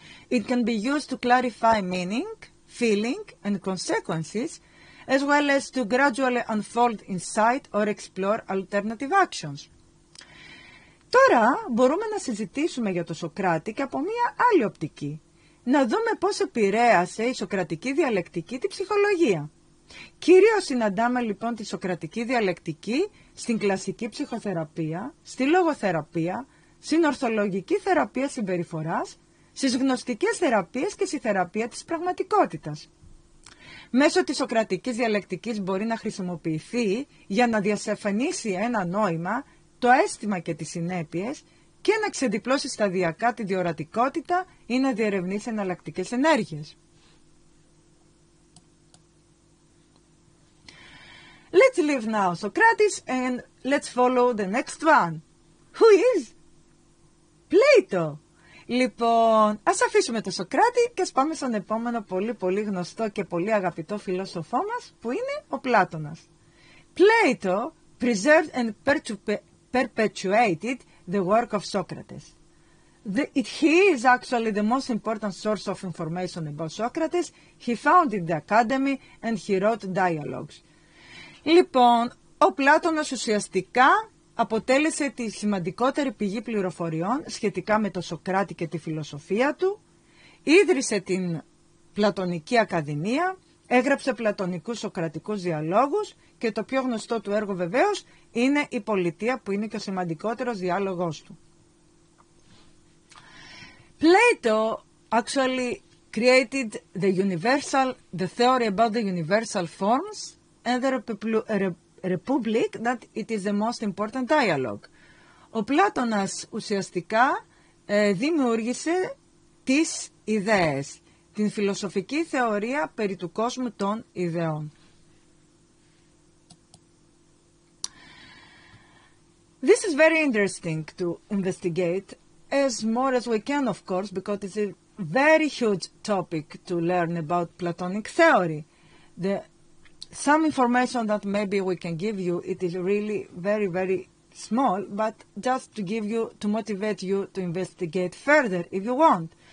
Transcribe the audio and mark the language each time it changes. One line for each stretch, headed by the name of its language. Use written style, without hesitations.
English: It can be used to clarify meaning, feeling and consequences, as well as to gradually unfold insight or explore alternative actions.
Greek: Τώρα μπορούμε να συζητήσουμε για τον Σοκράτη και από μία άλλη οπτική. Να δούμε πώς επηρέασε η σοκρατική διαλεκτική την ψυχολογία. Κυρίως συναντάμε λοιπόν τη σοκρατική διαλεκτική στην κλασική ψυχοθεραπεία, στη λογοθεραπεία, στην ορθολογική θεραπεία συμπεριφοράς, στις γνωστικές θεραπείες και στη θεραπεία της πραγματικότητας. Μέσω της σοκρατικής διαλεκτικής μπορεί να χρησιμοποιηθεί για να διασαφανίσει ένα νόημα, το αίσθημα και τις συνέπειες και να ξεδιπλώσει σταδιακά τη διορατικότητα ή να διερευνήσει εναλλακτικές ενέργειες.
English: Let's leave now Socrates and let's follow the next one. Who is? Plato.
Greek: Λοιπόν, ας αφήσουμε τον Σοκράτη και ας πάμε στον επόμενο πολύ πολύ γνωστό και πολύ αγαπητό φιλόσοφό μας, που είναι ο Πλάτωνας.
English: Plato preserved and perpetuated the work of Socrates. He is actually the most important source of information about Socrates. He founded the academy and he wrote dialogues.
Greek: Λοιπόν, ο Πλάτωνας ουσιαστικά αποτέλεσε τη σημαντικότερη πηγή πληροφοριών σχετικά με τον Σοκράτη και τη φιλοσοφία του, ίδρυσε την Πλατωνική Ακαδημία, έγραψε πλατωνικούς σοκρατικούς διαλόγους και το πιο γνωστό του έργο βεβαίως είναι η Πολιτεία, που είναι και ο σημαντικότερος διάλογός του.
English: Plato actually created the universal, the theory about the universal forms and the Republic, that it is the most important dialogue.
Greek: Ο Πλάτωνας ουσιαστικά δημιούργησε τις ιδέες, την φιλοσοφική θεωρία περί του κόσμου των ιδεών.
English: This is very interesting to investigate, as more as we can, of course, because it's a very huge topic to learn about Platonic theory. The some information that maybe we can give you, it is really very, very small, but just to give you, to motivate you to investigate further if you want.